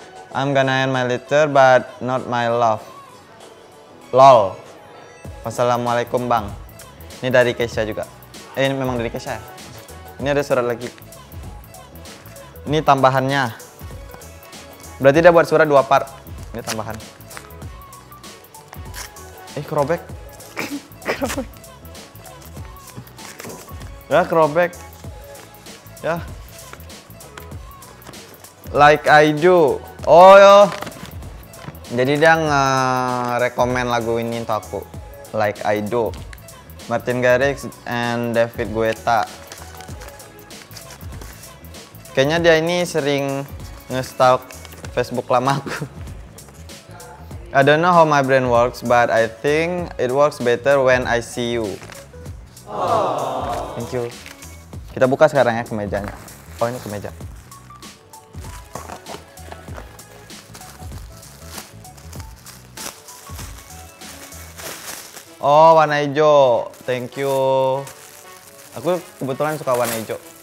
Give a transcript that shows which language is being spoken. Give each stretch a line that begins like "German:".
English: I'm gonna end my letter, but not my love.
Indonesian: Lol. Wassalamualaikum Bang. Ini dari Keisha juga. ini memang dari Kesha. Ini ada surat lagi. Ini tambahannya. Berarti dia buat surat dua part. Ini tambahan. Kerobek. Kerobek. Ya, kerobek. Ya.
English: Like I Do. Oh, yo.
Indonesian: Jadi dia nge-rekomen lagu ini untuk aku.
English: Like I Do. Martin Garrix and David Guetta.
Indonesian: Kayaknya dia ini sering nge-stalk Facebook lama aku.
English: I don't know how my brain works, but I think it works better when I see you. Thank you.
Indonesian: Kita buka sekarang ya kemejanya. Oh, ini kemeja. Oh, warna hijau.
English: Thank you.
Indonesian: Aku kebetulan suka warna hijau.